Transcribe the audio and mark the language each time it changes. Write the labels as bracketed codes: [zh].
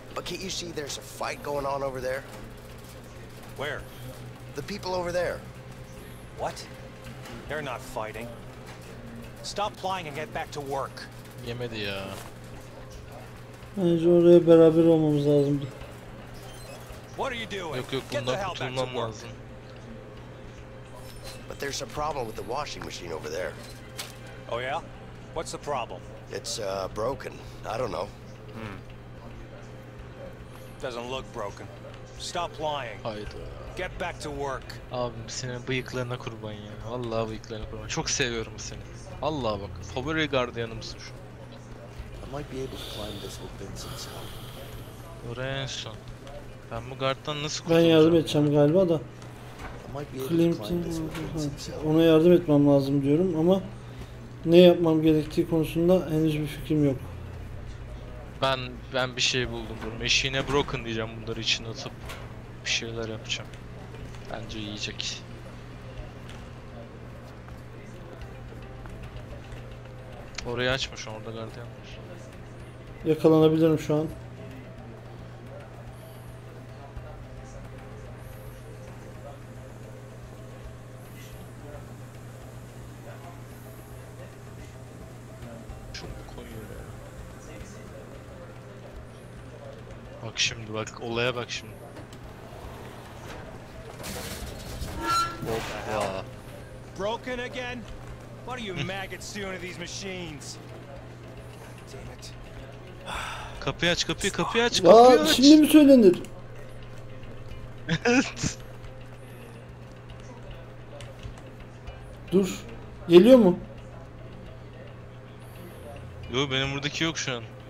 [en] But can't you see there's a fight going on over there? Where? The people over there. What? They're not fighting. Stop playing and get back to work. [tr] Yemedi ya. Bence oraya beraber olmamız lazımdı. [en] What are you doing? [tr] Yok yok, bundan kurtulmam lazım. [en] But there's a problem with the washing machine over there. Oh yeah? What's the problem? It's broken. I don't know. Hmm. Doesn't look broken. Stop lying. [tr] Haydi. [en] Get back to work. [tr] Abi senin bıyıklarına kurban ya. Vallahi bıyıklarına kurban. Çok seviyorum seni. Allah bak. Favori gardiyanımsın şu. [en] I might be able to climb this with Vincent's help. [tr] Oraya en son. Ben bu gardtan nasıl kurtulacağım? Ben yardım edeceğim galiba da. Clint'in ona yardım etmem lazım diyorum ama ne yapmam gerektiği konusunda henüz bir fikrim yok. Ben bir şey buldum bunu. Eşiğine broken diyeceğim, bunları içine atıp bir şeyler yapacağım. Bence yiyecek. Orayı açma şu an, orada gardiyan var. Yakalanabilirim şu an. Bak şimdi, bak olaya bak şimdi. [en] What the hell? Broken again? What are you maggots doing to these machines? Damn it. [tr] Kapıyı aç, kapıyı, kapıyı aç, kapıyı aç. Şimdi mi söylenir? Dur. Geliyor mu? Yok, benim buradaki yok şu an.